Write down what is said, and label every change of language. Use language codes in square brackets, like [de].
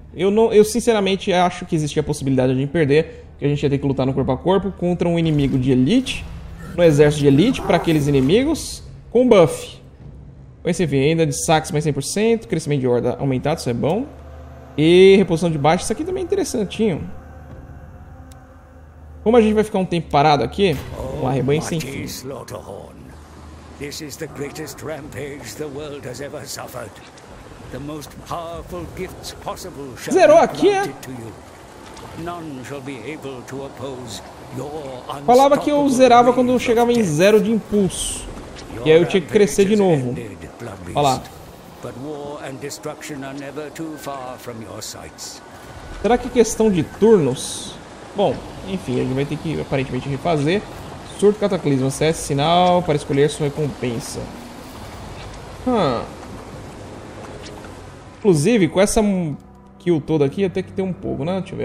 [pt] Eu sinceramente acho que existia a possibilidade de a gente perder, que a gente ia ter que lutar no corpo a corpo contra um inimigo de elite, no exército de elite, para aqueles inimigos, com buff. Com esse vem ainda de saques mais 100%, crescimento de horda aumentado, isso é bom. E reposição de baixo, isso aqui também é interessantinho. Como a gente vai ficar um tempo parado aqui, um arrebanho sem fim. [en] Slaughterhorn. This is the greatest rampage the world has ever suffered. The most powerful gifts possible shall be granted to you. None shall be able to oppose your unstoppable. [pt] Falava que eu zerava quando eu chegava em zero de impulso. E aí eu tinha que crescer de novo. Olha lá. [en] But war and destruction are never too far from your sights. [pt] Será que é questão de turnos? Bom, enfim, a gente vai ter que aparentemente refazer. Surto cataclismo, acesse sinal para escolher sua recompensa. Inclusive, com essa kill toda aqui, até que tem um pouco, né?